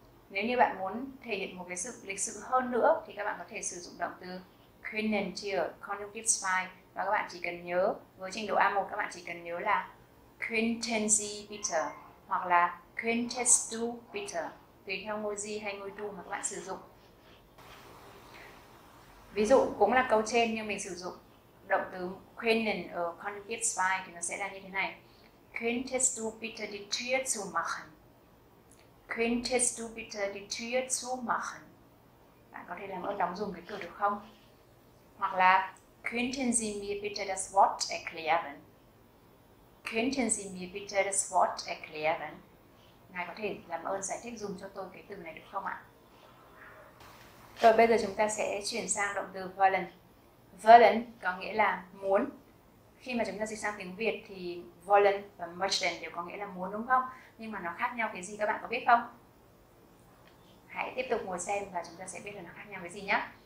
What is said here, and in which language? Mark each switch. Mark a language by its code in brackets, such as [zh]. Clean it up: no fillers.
[vi] Nếu như bạn muốn thể hiện một cái sự lịch sự hơn nữa thì các bạn có thể sử dụng động từ können chia conjunctive zwei, và các bạn chỉ cần nhớ với trình độ A1, các bạn chỉ cần nhớ là [de] könnten Sie bitte [vi] hoặc là [de] könntest du bitte, [vi] tùy theo ngôi Sie hay ngôi du mà các bạn sử dụng. Ví dụ cũng là câu trên nhưng mình sử dụng động từ können ở conjunctive zwei thì nó sẽ là như thế này: [de] Könntest du bitte die Tür zumachen? Könntest du bitte die Tür zumachen? [vi] Bạn có thể làm ơn đóng giùm cái cửa được không? Hoặc là [de] Könnten Sie mir bitte das Wort erklären? Könnten Sie mir bitte das Wort erklären? [vi] Ngài có thể làm ơn giải thích dùm cho tôi cái từ này được không ạ? Rồi bây giờ chúng ta sẽ chuyển sang động từ wollen. Wollen có nghĩa là muốn. Khi mà chúng ta dịch sang tiếng Việt thì wollen và möchten đều có nghĩa là muốn, đúng không? Nhưng mà nó khác nhau cái gì các bạn có biết không? Hãy tiếp tục ngồi xem và chúng ta sẽ biết là nó khác nhau cái gì nhé.